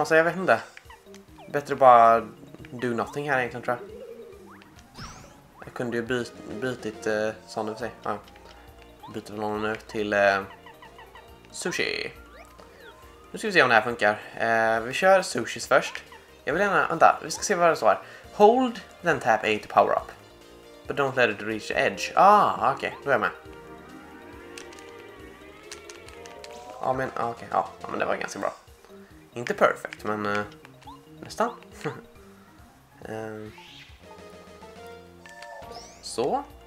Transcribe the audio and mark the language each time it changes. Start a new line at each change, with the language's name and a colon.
Swedish: Alltså, jag vet inte. Bättre bara
English: do nothing
Swedish: här egentligen, tror jag. Jag kunde ju bytit, sa du för sig. Ja. Byter från honom nu till sushi. Nu ska vi se om det här funkar. Vi kör sushis först. Jag vill gärna, vänta, vi ska se vad det står här.
English: Hold, then tap A to power up. But don't let it reach the edge.
Swedish: Ah, okej, okay, då är jag med. Ja, men okej, okay, ja, men det var ganska bra. Inte perfekt, men nästan. Så.